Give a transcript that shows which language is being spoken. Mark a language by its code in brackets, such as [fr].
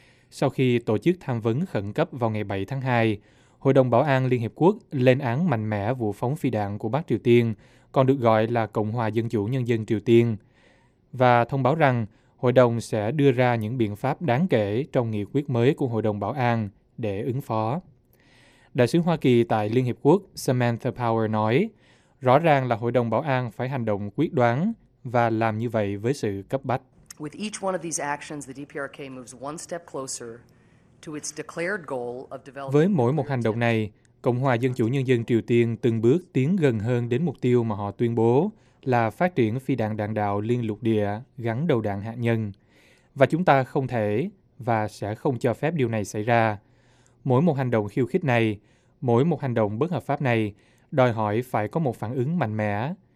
[vi] Sau khi tổ chức tham vấn khẩn cấp vào ngày 7 tháng 2, Hội đồng Bảo an Liên Hiệp Quốc lên án mạnh mẽ vụ phóng phi đạn của Bắc Triều Tiên, còn được gọi là Cộng hòa Dân chủ Nhân dân Triều Tiên, và thông báo rằng Hội đồng sẽ đưa ra những biện pháp đáng kể trong nghị quyết mới của Hội đồng Bảo an để ứng phó. Đại sứ Hoa Kỳ tại Liên Hiệp Quốc Samantha Power nói, rõ ràng là Hội đồng Bảo an phải hành động quyết đoán và làm như vậy với sự cấp bách. [en] With each one of these actions, the DPRK moves one step closer to its declared goal of developing. [vi] Với mỗi một hành động này, Cộng hòa Dân chủ Nhân dân Triều Tiên từng bước tiến gần hơn đến mục tiêu mà họ tuyên bố là phát triển phi đạn đạn đạo liên lục địa gắn đầu đạn hạt nhân. Và chúng ta không thể và sẽ không cho phép điều này xảy ra. Mỗi một hành động khiêu khích này, mỗi một hành động bất hợp pháp này đòi hỏi phải có một phản ứng mạnh mẽ.